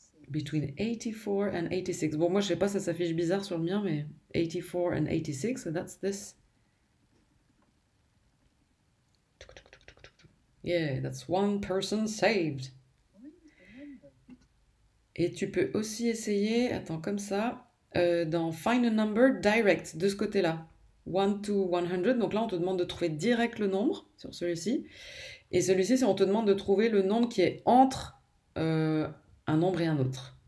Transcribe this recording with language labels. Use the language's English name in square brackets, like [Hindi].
[French] Between 84 and 86. Bon, moi, je sais pas, ça s'affiche bizarre sur le mien, mais 84 and 86, so that's this. [English] Yeah, that's one person saved. [French] Et tu peux aussi essayer, attends, comme ça, dans Find a Number Direct, de ce côté-là. 1 to 100, donc là, on te demande de trouver direct le nombre sur celui-ci. Et celui-ci, c'est on te demande de trouver le nombre qui est entre un nombre et un autre.